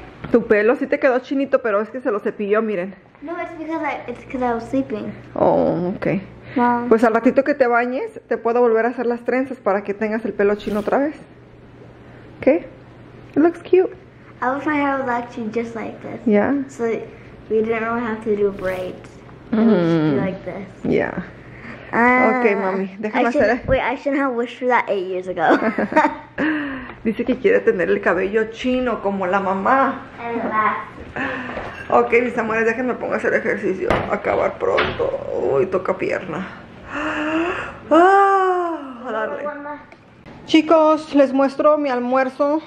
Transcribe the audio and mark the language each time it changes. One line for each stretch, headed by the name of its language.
Spanish: Tu pelo sí te quedó chinito, pero es que se lo cepilló, miren.
English: No, it's because I was sleeping. Oh, ok. Mom.
Spanish: Pues al ratito que te bañes, te puedo volver a hacer las trenzas para que tengas el pelo chino otra vez.
English: ¿Ok? It looks cute. I wish my hair was actually just like this. Yeah. So, we didn't really have to do braids. It was like this. Yeah. Okay, mommy.
Spanish: Déjame hacer.
English: I shouldn't have wished for that 8 years ago.
Spanish: Dice que quiere tener el cabello chino como la mamá. Okay, mis amores, déjenme pongo a hacer ejercicio. Acabar pronto. Uy, toca pierna. Ah, a darle. Chicos, les muestro mi almuerzo.